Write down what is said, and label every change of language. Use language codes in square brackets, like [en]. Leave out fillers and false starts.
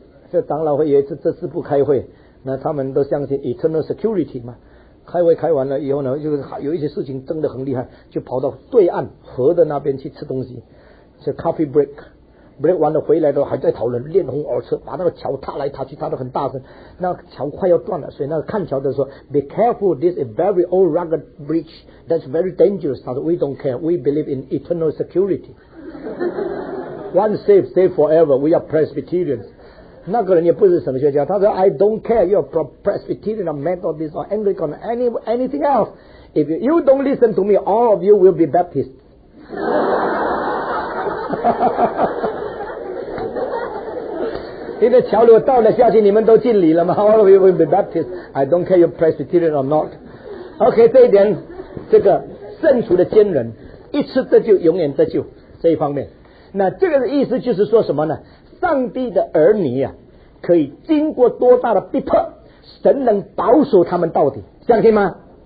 [zh] 这长老会有一次这次不开会，那他们都相信 Eternal Security 嘛，开会开完了以后呢，就是有一些事情争得很厉害，就跑到对岸河的那边去吃东西，是 coffee break， break 完了回来都还在讨论，面红耳赤，把那个桥塌来塌去，塌得很大声，那个桥快要断了，所以那个看桥的说 ， [en] Be careful, this is very old rugged bridge, that's very dangerous. [zh] 他说 [en] ，We don't care, we believe in eternal security. One safe, safe forever. We are Presbyterians. [zh] 那个人也不是神学家，他说 [en] I don't care you're Presbyterian or Methodist or Anglican or anything else. If you don't listen to me, all of you will be Baptist. [zh] 你的桥流倒了下去，你们都敬礼了吗？ [en] All of you will be Baptist. I don't care you're Presbyterian or not. [zh] OK， 这一点，这个圣徒的坚韧，一次得救永远得救，这一方面。那这个意思就是说什么呢？上帝的儿女啊，可以经过多大的逼迫，神能保守他们到底，相信吗？